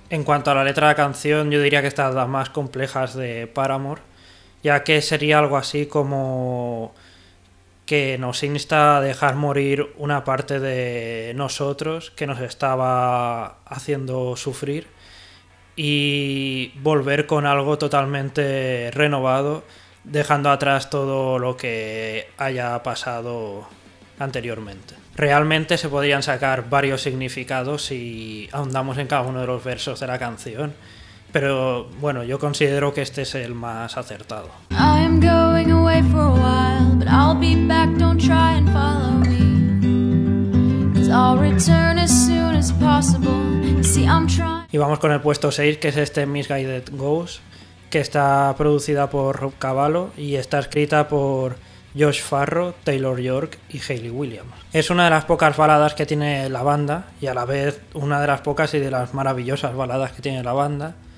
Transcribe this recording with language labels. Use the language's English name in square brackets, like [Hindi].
[Spanish] En cuanto a la letra de la canción, yo diría que esta es de las más complejas de Paramore, ya que sería algo así como que nos insta a dejar morir una parte de nosotros que nos estaba haciendo sufrir y volver con algo totalmente renovado, dejando atrás todo lo que haya pasado anteriormente. Realmente se podrían sacar varios significados si ahondamos en cada uno de los versos de la canción, pero bueno, yo considero que este es el más acertado. [English] I'm going away for a while, but I'll be back, don't try and follow me. I'll return as soon as possible. See, I'm trying. [Spanish] Y vamos con el puesto 6, que es este Misguided Ghost, que está producida por Rob Cavallo y está escrita por Josh Farro, Taylor York y Hayley Williams. Es una de las pocas baladas que tiene la banda y a la vez una de las pocas y de las maravillosas baladas que tiene la banda.